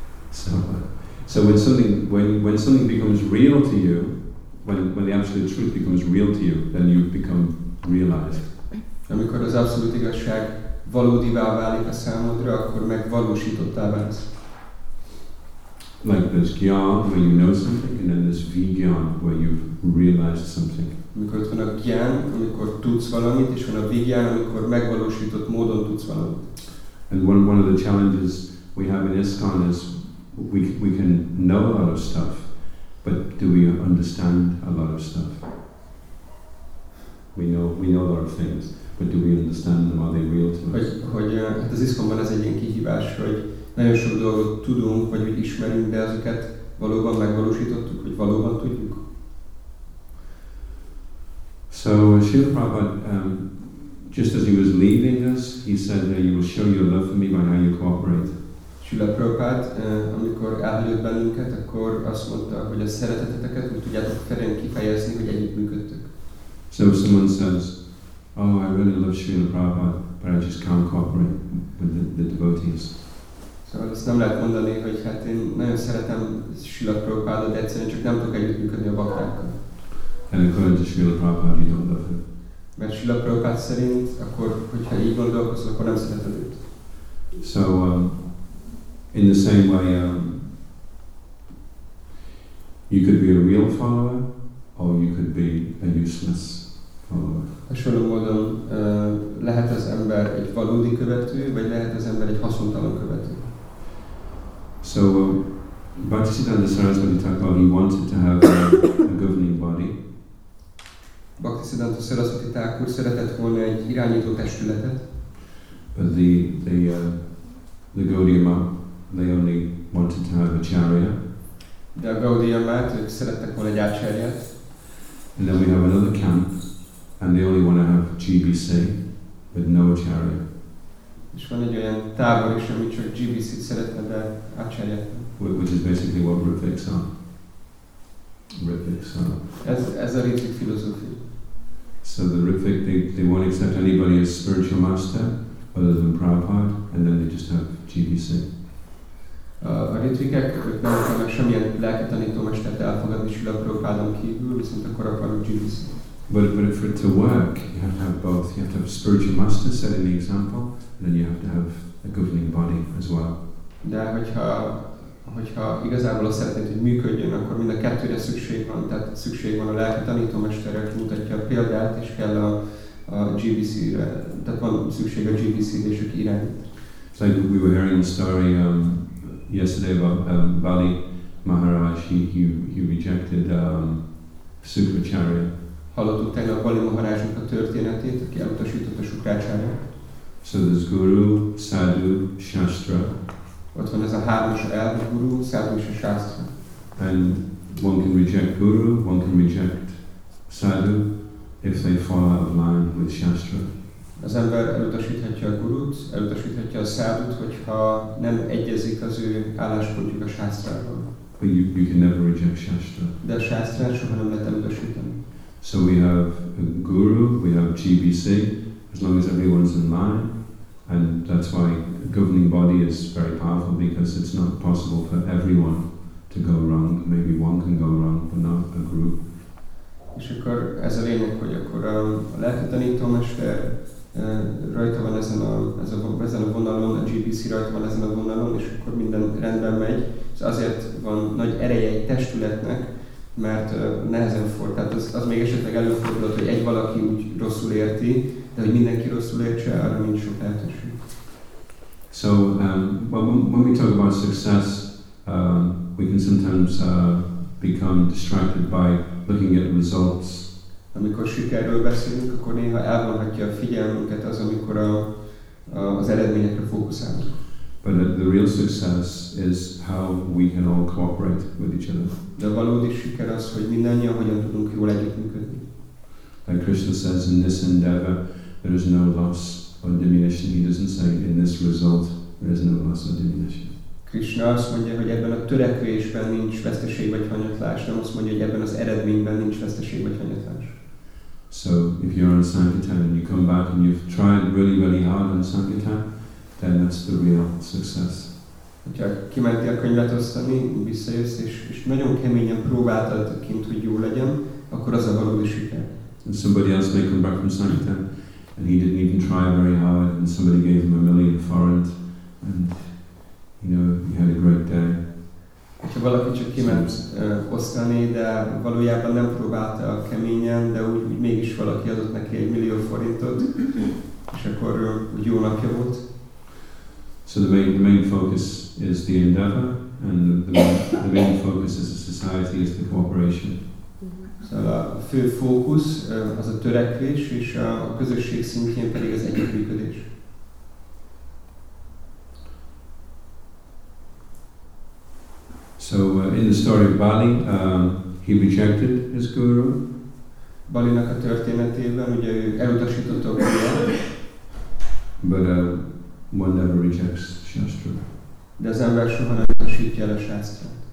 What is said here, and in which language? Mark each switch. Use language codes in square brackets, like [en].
[en] So when something becomes real to you, when the absolute truth becomes real to you, then you become realized. [hu] Amikor az abszolút igazság valódivá válik a számodra, akkor megvalósítottá válsz. [en] Like there's gyan, where you know something, and then there's vigyan, where you've realized something. [hu] Amikor ott van a gyan, amikor tudsz valamit, és van a vigyan, amikor megvalósított módon tudsz valamit. [en] And one of the challenges we have in ISKCON is we can know a lot of stuff, but do we understand a lot of stuff? We know a lot of things, but do we understand them? Are they real to us? [hu] Hogy az ISKCON-ban ez egy ilyen kihívás, hogy nagyon sok dolgot tudunk, vagy úgy ismerünk, de ezeket valóban megvalósítottuk, hogy valóban tudjuk. [en] So Srila Prabhupada, just as he was leaving us, he said that you will show your love for me by how you cooperate. [hu] Srila Prabhupada, amikor elhagyott bennünket, akkor azt mondta, hogy a szereteteteket úgy tudjátok terén kifejezni, hogy együttműködtök. [en] So if someone says, oh, I really love Srila Prabhupada, but I just can't cooperate with the devotees. [hu] Szóval azt nem lehet mondani, hogy hát én nagyon szeretem Srila Prabhupádot, de egyszerűen csak nem tudok együttműködni a baktákkal. [en] And according to Srila Prabhupada, you don't love him. [hu] Mert Srila Prabhupád szerint, akkor, hogyha így gondolkozol, akkor nem szereted őt. [en] So, in the same way, you could be a real follower, or you could be a useless follower. [hu] Hasonló módon lehet az ember egy valódi követő, vagy lehet az ember egy haszontalan követő. [en] So Bhaktisiddhanta Sarasvati Thakur, he wanted to have a governing body. [hu] Bhaktisiddhanta Sarasvati Thakur szeretett volna egy irányító testületet. [en] But the Gaudiya Math, they only wanted to have a charia. [hu] De a Gaudiya Math, ők szerettek volna egy ácsáriát. [en] And then we have another camp, and they only want to have GBC, but no charia. [hu] És van egy olyan tábor is, ami csak GBC-t szeretne, de ácsáját. [en] Which is basically what Ritviks are. Ritviks are. [hu] Ez a Ritvik filozófia. [en] So the Ritvik, they won't accept anybody as spiritual master other than Prabhupada, and then they just have GBC. [hu] A Ritvikek, ők nem akarnak semmilyen lelki tanítómestert elfogadni Srila Prabhupádon kívül, viszont akkor akarnak GBC. [en] But for it to work, you have to have both. You have to have a spiritual master setting the example, and then you have to have a governing body as well. [hu] De hogyha igazából azt szeretnéd, hogy működjön, akkor mind a kettőre szükség van. Tehát szükség van a lelki tanítómesterre, aki mutatja a példát, és kell a GBC-re. Tehát van szükség a GBC-re és a irányt. [en] It's like we were hearing a story yesterday about Bali Maharaj. He rejected Sukracharya. [hu] Hallottuk tegnap Bali Maharajnak a történetét, aki elutasított a Sukrácsáriát. [en] So there's Guru, Sadhu, Shastra. [hu] Ott van ez a hármas elv, Guru, Sadhu és a Shastra. [en] And one can reject Guru, one can reject Sadhu, if they fall out of line with Shastra. [hu] Az ember elutasíthatja a Gurut, elutasíthatja a Sadhut, hogyha nem egyezik az ő álláspontjuk a Shastrával. [en] But you can never reject Shastra. [hu] De a Shastrát soha nem lehet elutasítani. [en] So we have a Guru, we have GBC, as long as everyone's in line. And that's why a governing body is very powerful, because it's not possible for everyone to go wrong. Maybe one can go wrong, but not a group. [hu] És akkor ez a lényeg, hogy akkor a lelki tanítómester rajta van ezen a vonalon, a GPC rajta van ezen a vonalon, és akkor minden rendben megy. Ez azért van nagy ereje egy testületnek, mert nehezen fordul. Tehát az még esetleg előfordulhat, hogy egy valaki úgy rosszul érti, de hogy mindenki rosszul értse, arra nincs sok lehetőség. [en] So, when we talk about success, we can sometimes become distracted by looking at results. [hu] Amikor sikerről beszélünk, akkor néha elvonhatja a figyelmünket az, amikor az eredményekre fókuszálunk. [en] But the real success is how we can all cooperate with each other. [hu] De a valódi siker az, hogy mindannyian hogyan tudunk jól együttműködni. [en] Like Krishna says, in this endeavor, there is no loss or diminution. He doesn't say, in this result, there is no loss or diminution. [hu] Krishna azt mondja, hogy ebben a törekvésben nincs veszteség vagy hanyatlás, nem azt mondja, hogy ebben az eredményben nincs veszteség vagy hanyatlás. [en] So, if you're on Sankirtan and you come back and you've tried really, really hard on Sankirtan, then that's the real success. [hu] Hogyha kimentél a könyvet osztani, visszajössz, és nagyon keményen próbáltad kint, hogy jó legyen, akkor az a valódi siker. [en] And somebody else may come back from Sankirtan, and he didn't even try very hard, and somebody gave him $1,000,000, and you know, he had a great day. [hu] Ha valaki csak kiment osztani, de valójában nem próbálta keményen, de úgy mégis valaki adott neki $1,000,000, és akkor úgy jó napja volt. [en] So the main focus is the endeavor, and the main focus is the society, is the cooperation. [hu] Szóval a fő fókusz az a törekvés, és a közösség szintjén pedig az együttműködés. [en] So in the story of Bali, he rejected his guru. [hu] Balinak a történetében, ugye ő elutasította a guruját. [en] But one never rejects Shastra. [hu] De az ember soha nem utasítja el a Shastra.